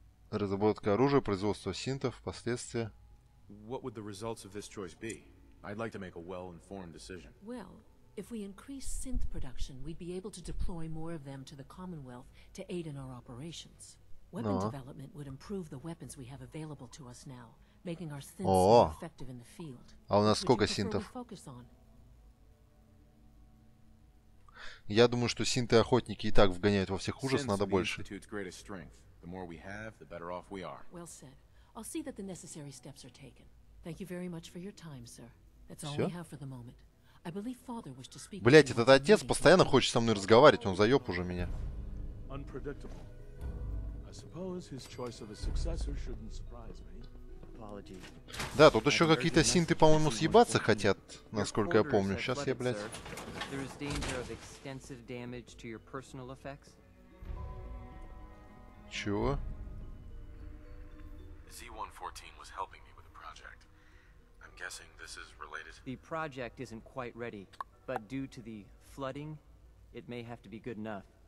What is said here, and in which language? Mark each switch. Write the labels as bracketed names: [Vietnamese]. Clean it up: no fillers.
[Russian] Разработка оружия, производство синтов, последствия. [English] What would the results of this choice be? I'd like to make a well-informed decision. Well, if we increase synth production, we'd be able to deploy more of them to the Commonwealth to aid in our operations. Weapon development would improve the weapons we have available to us now, making our synths more effective in the field. [Russian] А у нас сколько синтов? Я думаю, что синты-охотники и так вгоняют во всех ужас, надо больше. [English] The more we have, the better off we are. Well said. I'll see that the necessary steps are taken. Thank you very much for your time, sir. That's all we have for the moment. I believe father wished to speak to [Russian] Блять, этот отец постоянно хочет со мной разговаривать, он заёб уже меня. [English] Unpredictable. I suppose his choice of a successor shouldn't surprise me. Apologies. [Russian] Да, тут ещё какие-то синты, по-моему, съебаться хотят, насколько я помню. Сейчас я, блять. [English] There is danger of extensive damage to your personal effects. [Russian] Чего? [English] Z114 was helping me with a project. I'm guessing this is related. The project isn't quite ready, but due to the flooding, it may have to be good enough.